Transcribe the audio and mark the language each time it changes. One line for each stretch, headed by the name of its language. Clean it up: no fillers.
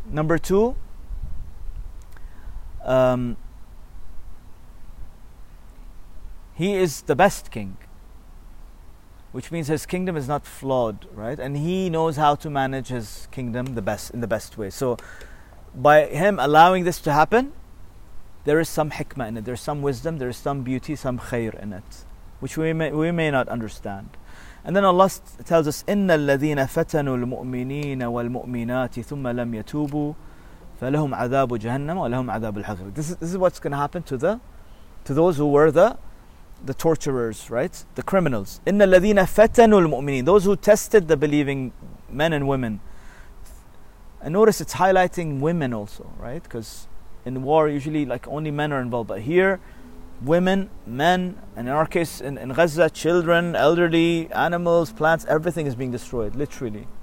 English: Number two, He is the best king, which means His kingdom is not flawed, right? And He knows how to manage His kingdom in the best way. So by Him allowing this to happen, there is some hikmah in it, there is some wisdom, there is some beauty, some khair in it, which we may not understand.
Arabic: And then Allah tells us, إِنَّ الَّذِينَ فَتَنُوا الْمُؤْمِنِينَ وَالْمُؤْمِنَاتِ ثُمَّ لَمْ يَتُوبُوا فَلَهُمْ عَذَابُ جَهَنَّمَ وَلَهُمْ عَذَابُ الْحَغْرِ.
English: This is what's going to happen to those who were the torturers, right? The criminals.
Arabic: إِنَّ الَّذِينَ فَتَنُوا الْمُؤْمِنِينَ.
English: Those who tested the believing men and women. And notice it's highlighting women also, right? Because in war, usually like only men are involved. But here, women, men, and in our case, in Gaza, children, elderly, animals, plants, everything is being destroyed, literally.